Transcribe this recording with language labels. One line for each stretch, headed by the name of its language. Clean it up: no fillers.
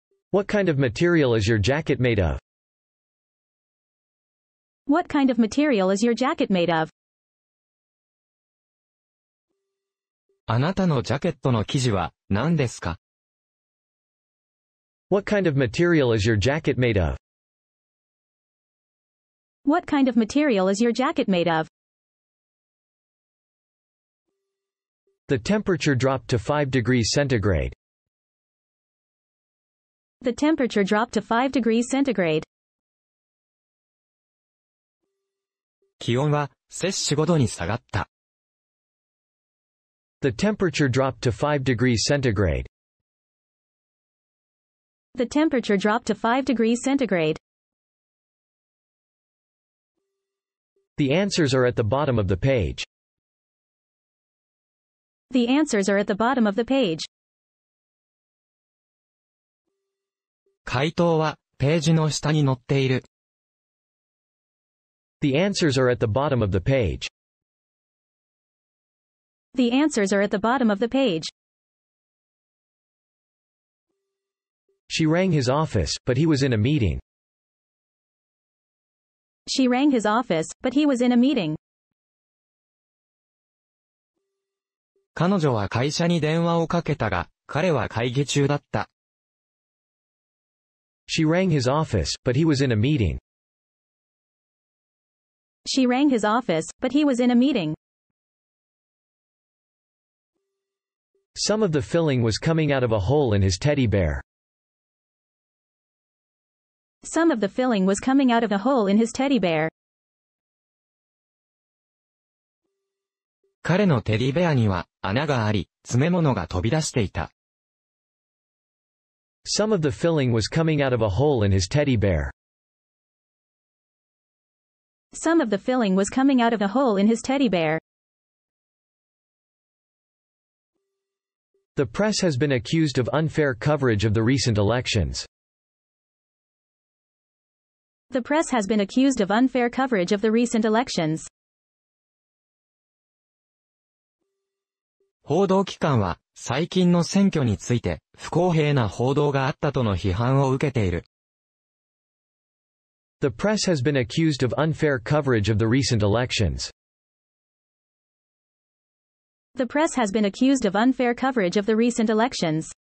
English: What kind of material is your jacket made of? What kind of material is your jacket made of?
Japanese: あなたのジャケットの生地は何ですか?
English: What kind of material is your jacket made of? What kind of material is your jacket made of? The temperature dropped to 5 degrees centigrade. The temperature dropped to 5 degrees centigrade.
Japanese: 気温は摂氏5度に下がった。
English: The temperature dropped to 5 degrees centigrade. The temperature dropped to 5 degrees centigrade. The answers are at the bottom of the page. The answers are at the bottom of the page.
Japanese: 回答はページの下に載っている。
English: The answers are at the bottom of the page. The answers are at the bottom of the page. She rang his office, but he was in a meeting. She rang his office, but he was in a meeting.
Japanese: 彼女は会社に電話をかけたが、彼は会議中だった。
English: She rang his office, but he was in a meeting. She rang his office, but he was in a meeting. Some of the filling was coming out of a hole in his teddy bear. Some of the filling was coming out of a hole in his teddy bear.
Japanese: 彼のテディベアには穴があり、詰め物が飛び出していた。
English: Some of the filling was coming out of a hole in his teddy bear. Some of the filling was coming out of a hole in his teddy bear. The press has been accused of unfair coverage of the recent elections. The press has been accused of unfair coverage of the recent elections.
Japanese: 報道機関は最近の選挙について不公平な報道があったとの批判を受けている。
English: The press has been accused of unfair coverage of the recent elections. The press has been accused of unfair coverage of the recent elections.